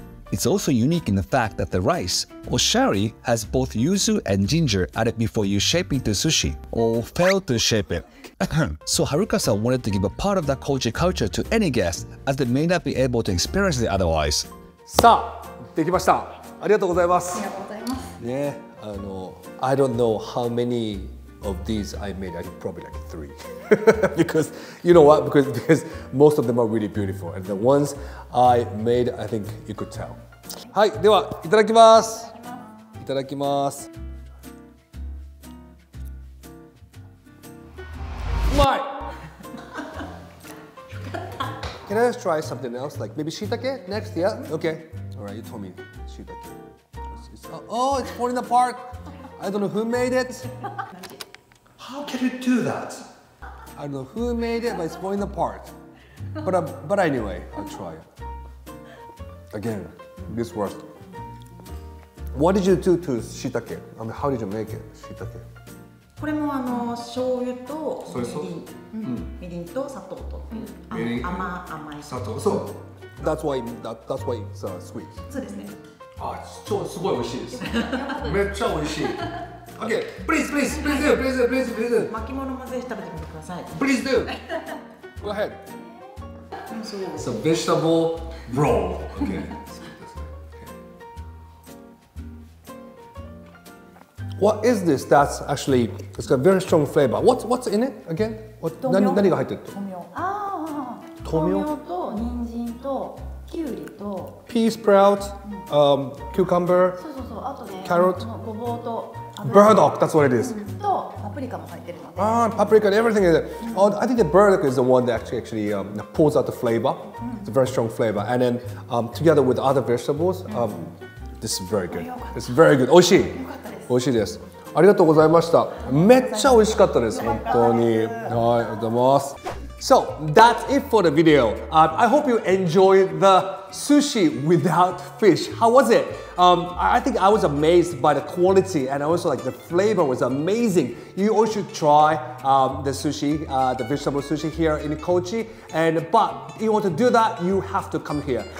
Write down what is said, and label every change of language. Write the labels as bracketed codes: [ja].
[en] It's also unique in the fact that the rice, or shari, has both yuzu and ginger added before you shape into sushi, or fail to shape it. So Haruka-san wanted to give a part of that Kochi culture to any guest, as they may not be able to experience it otherwise. [ja] さあ、できました。ありがとうございます。ありがとうございます。 [en] ね、I don't know how many of these I made, I think probably like three. Because, you know what, because most of them are really beautiful. And the ones I made, I think you could tell. [ja] はい、では、いただきます。いただきます。うまい。 [en] Can I just try something else? Like maybe shiitake next? Yeah? Okay. All right, you told me shiitake. Oh, it's falling apart. I don't know who made it. How can you do that? I don't know who made it, but it's falling apart. But anyway, I'll try it. Again, this works. What did you do to shiitake? I mean, how did you make it, shiitake? [ja] これもあの醤油とみりん、みりんと砂糖と、甘い砂糖。そう。 [en] That's why that's why it's sweet。 [ja] そうですね。あ、超すごい美味しいです。めっちゃ美味しい。 [en] Okay, please, please, please do, please do, please do。 [ja] 巻物混ぜして食べてみてください。 [en] Please do。 Go ahead。 It's a vegetable roll. Okay。 What is this that's actually, it's got a very strong flavor. What's in it again? What, [ja] 何が入ってる? [en] Tomio. Ah! Tomio? Tomio, ginger, kiwi. Pea sprout, cucumber, carrot, burdock, that's what it is. Paprika. Ah, paprika, everything is in it. Oh, I think the burdock is the one that actually pulls out the flavor. It's a very strong flavor. And then together with other vegetables, this is very good. It's very good. Oishii! [ja] 美味しいです。ありがとうございました。めっちゃ美味しかったです。本当に。はい、ありがとうございます。 [en] So, that's it for the video. I hope you enjoyed the sushi without fish. How was it? I think I was amazed by the quality and also like the flavor was amazing. You all should try the sushi, the vegetable sushi here in Kochi. But if you want to do that, you have to come here.